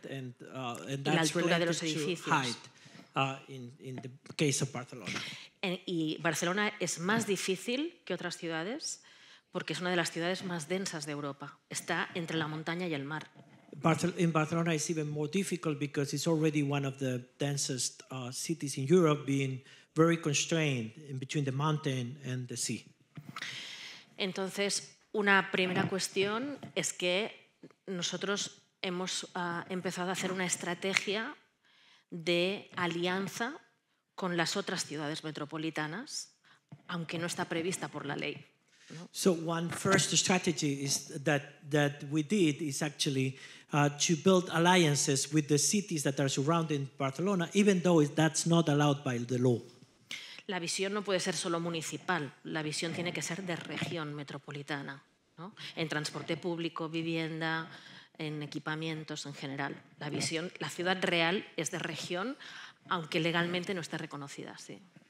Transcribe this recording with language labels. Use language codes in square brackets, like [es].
[en] And that's related to height in the case of Barcelona. [es] Y Barcelona es más difícil que otras ciudades porque es una de las ciudades más densas de Europa. Está entre la montaña y el mar. [en] In Barcelona it's even more difficult because it's already one of the densest cities in Europe, being very constrained in between the mountain and the sea. [es] Entonces, una primera cuestión es que nosotros hemos empezado a hacer una estrategia de alianza con las otras ciudades metropolitanas, aunque no está prevista por la ley. [en] So one first strategy is that we did is actually to build alliances with the cities that are surrounding Barcelona, even though that's not allowed by the law. [es] La visión no puede ser solo municipal, la visión tiene que ser de región metropolitana, ¿no? En transporte público, vivienda, en equipamientos en general. La visión, la ciudad real es de región, aunque legalmente no esté reconocida, sí.